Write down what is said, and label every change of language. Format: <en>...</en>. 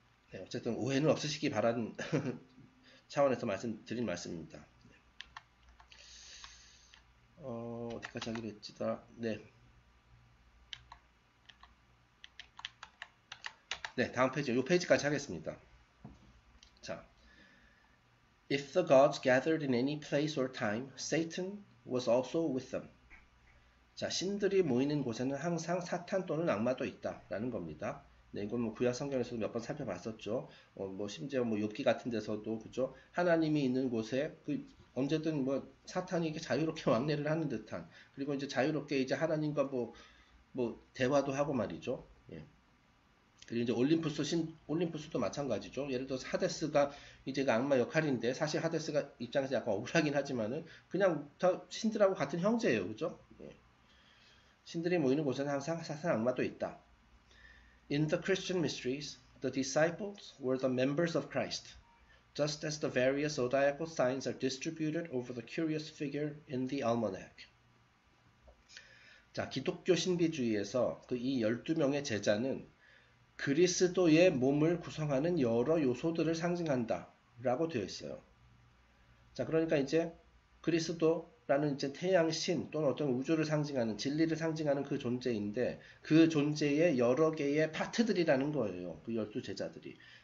<ko>네, 어쨌든 오해는 없으시기 바라는 차원에서 드린 말씀입니다. 어디까지 하기로 했지다. 네, 다음 페이지, 요 페이지까지 하겠습니다.</ko> <en>자, If the gods gathered in any place or time, Satan was also with them.</en> <ko>자, 신들이 모이는 곳에는 항상 사탄 또는 악마도 있다라는 겁니다. 네, 이건 뭐 구약 성경에서도 몇번 살펴봤었죠. 뭐 심지어 뭐 욥기 같은 데서도 그죠. 하나님이 있는 곳에 그 언제든 뭐 사탄이 이렇게 자유롭게 왕래를 하는 듯한, 그리고 이제 자유롭게 이제 하나님과 뭐 대화도 하고 말이죠. 예. 그리고 이제 올림푸스도 마찬가지죠. 예를 들어서 하데스가 이제 악마 역할인데, 사실 하데스가 입장에서 약간 억울하긴 하지만은 그냥 다 신들하고 같은 형제예요, 그죠? 예. 신들이 모이는 곳에는 항상 사탄 악마도 있다.</ko> <en>In the Christian mysteries, the disciples were the members of Christ, just as the various zodiacal signs are distributed over the curious figure in the almanac.</en> <ko>자, 기독교 신비주의에서 그이 12명의 제자는 그리스도의 몸을 구성하는 여러 요소들을 상징한다 라고 되어 있어요. 자, 그러니까 이제 그리스도라는 이제 태양신 또는 어떤 우주를 상징하는 진리를 상징하는 그 존재인데, 그 존재의 여러 개의 파트들이라는 거예요. 그 열두 제자들이.</ko>